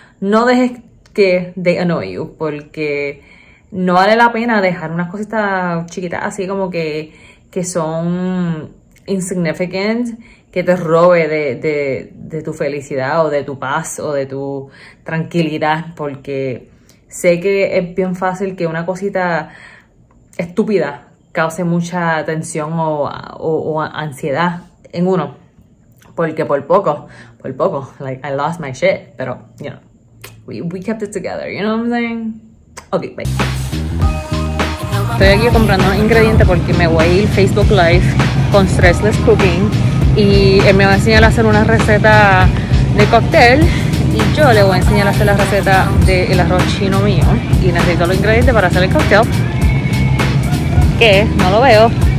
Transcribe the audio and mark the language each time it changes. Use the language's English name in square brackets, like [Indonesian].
[Spanish] No dejes que [English] they annoy you, [Spanish] porque no vale la pena dejar unas cositas chiquitas así como que son insignificant, que te robe de tu felicidad o de tu paz o de tu tranquilidad, porque sé que es bien fácil que una cosita estúpida cause mucha tensión o ansiedad en uno, porque por poco, [English] like, I lost my shit, [Spanish] pero, [English] you know, we kept it together, you know what I'm saying? Okay, bye. [Spanish] Estoy aquí comprando ingredientes porque me voy a ir Facebook Live con Stressless Cooking y él me va a enseñar a hacer una receta de cóctel y yo le voy a enseñar a hacer la receta del arroz chino mío y necesito los ingredientes para hacer el cóctel que no lo veo.